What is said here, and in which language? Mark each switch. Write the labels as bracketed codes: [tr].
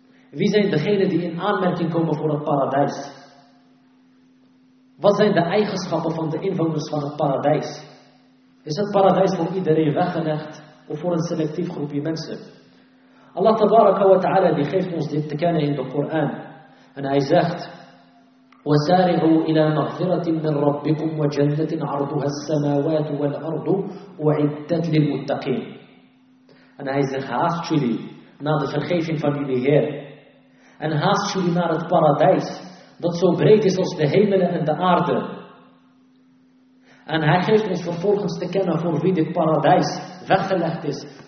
[nl] Wie zijn degenen die in aanmerking komen voor het paradijs? Wat zijn de eigenschappen van de inwoners van het paradijs? Is het paradijs voor iedereen weggelegd of voor een selectief groepje mensen? Allah tabaraka wa ta'ala die geeft ons dit te kennen in de Koran. En hij zegt, [ar] وَسَارِعُوا إِلَى مَغْفِرَةٍ مِّن رَبِّكُمْ وَجَنَّةٍ عَرْضُهَا السَّمَاوَاتُ وَالْأَرْضُ وَعِدَّتْ لِلْمُتَّقِينَ. [nl] En hij zegt, haast jullie naar de vergeving van jullie Heer. En haast jullie naar het paradijs, dat zo breed is als de hemelen en de aarde. En hij geeft ons vervolgens te kennen voor wie dit paradijs weggelegd is.